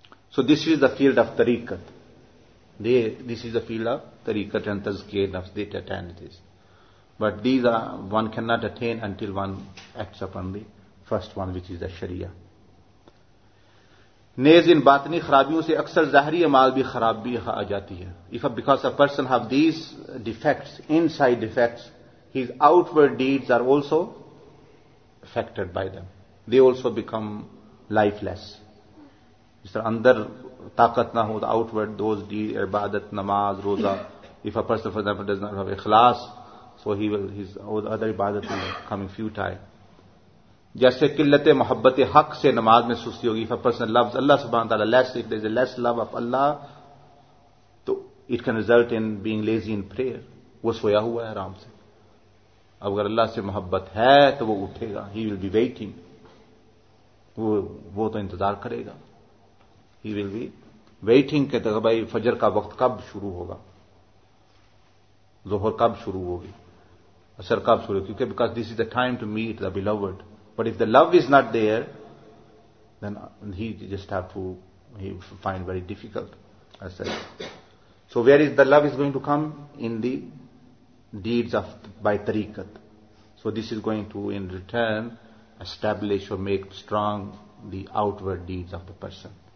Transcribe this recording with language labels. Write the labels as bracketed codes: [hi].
[en] So this is the field of tariqat. This is the field of tariqat and tazkiyah nafs, they attain this. But these are, one cannot attain until one acts upon the first one, which is the sharia. [ur] نیز ان باطنی خرابیوں سے اکثر ظاہری اعمال بھی خراب بھی آ جاتی ہے. [en] If a because a person have these defects, inside defects, his outward deeds are also affected by them. They also become lifeless. [ur] اس طرح اندر طاقت نہ ہو تو [en] outward those deeds, [ur] عبادت, نماز, روزہ. [en] If a person for example does not have اخلاص, so he will, his other عبادت will come futile. [ur] جیسے قلت محبت حق سے نماز میں سستی ہوگی. [en] If a person loves Allah سبحانہ وتعالی less, if there is a less love of Allah, تو it can result in being lazy in prayer. [ur] وہ سویا ہوا ہے آرام سے. اب اگر اللہ سے محبت ہے تو وہ اٹھے گا, [en] he will be waiting, [ur] وہ تو انتظار کرے گا, [en] he will be waiting [ur] کہتا کہ بھائی فجر کا وقت کب شروع ہوگا, ظہر کب شروع ہوگی, عصر کب شروع ہوگی, کیونکہ [en] because this is the time to meet the beloved. But if the love is not there, then he just have to find very difficult, as such. So where is the love is going to come? In the deeds of by tariqat. So this is going to in return establish or make strong the outward deeds of the person.